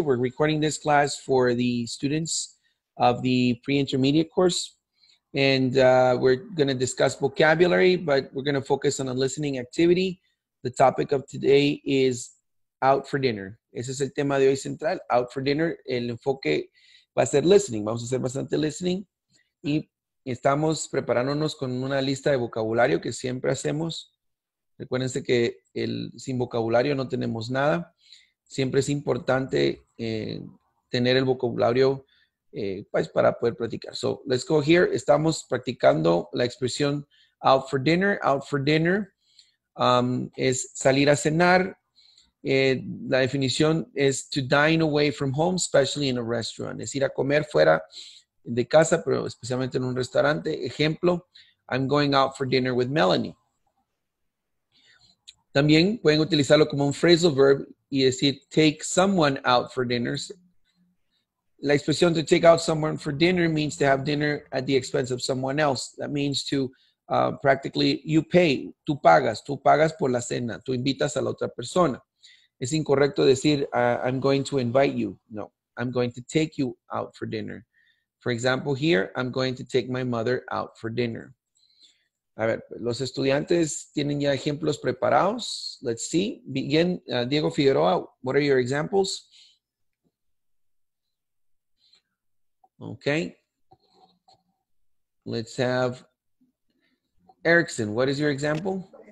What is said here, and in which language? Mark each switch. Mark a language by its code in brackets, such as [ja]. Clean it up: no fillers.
[en] We're recording this class for the students of the pre-intermediate course. And we're going to discuss vocabulary, but we're going to focus on a listening activity. The topic of today is out for dinner. [es] Ese es el tema de hoy central, out for dinner. El enfoque va a ser listening. Vamos a hacer bastante listening. Y estamos preparándonos con una lista de vocabulario que siempre hacemos. Recuérdense que sin vocabulario no tenemos nada. Siempre es importante tener el vocabulario pues para poder practicar. [en] So, let's go here. [es] Estamos practicando la expresión out for dinner. Out for dinner es salir a cenar. La definición es [en] to dine away from home, especially in a restaurant. [es] Es ir a comer fuera de casa, pero especialmente en un restaurante. Ejemplo, [en] I'm going out for dinner with Melanie. [es] También pueden utilizarlo como un phrasal verb y decir [en] take someone out for dinner. [es] La expresión [en] to take out someone for dinner means to have dinner at the expense of someone else. That means to practically you pay, [es] tú pagas por la cena, tú invitas a la otra persona. Es incorrecto decir [en] I'm going to invite you. No, I'm going to take you out for dinner. For example, here, I'm going to take my mother out for dinner. [es] A ver, los estudiantes tienen ya ejemplos preparados. [en] Let's see. Begin, Diego Figueroa, what are your examples? Okay. Let's have Erickson, what is your example?